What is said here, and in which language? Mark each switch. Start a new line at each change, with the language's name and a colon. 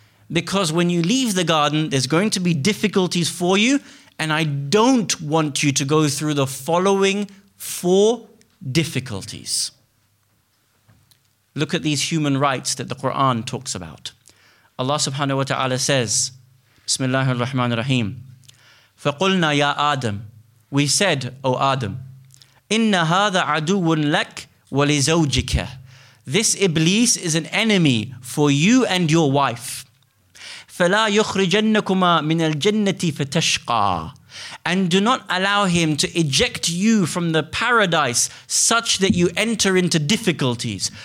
English: Because when you leave the garden, there's going to be difficulties for you, and I don't want you to go through the following four difficulties. Look at these human rights that the Quran talks about. Allah subhanahu wa ta'ala says, Bismillah ar-Rahman ar-Rahim,
Arabic: فَقُلْنَا يَا آدَمُ.
English: We said, O Adam,
Arabic: إِنَّ هَذَا عَدُوٌ لَكْ وَلِزَوْجِكَ.
English: This Iblis is an enemy for you and your wife.
Arabic: فَلَا يُخْرِجَنَّكُمَا مِنَ الْجَنَّةِ فَتَشْقَى.
English: And do not allow him to eject you from the paradise such that you enter into difficulties.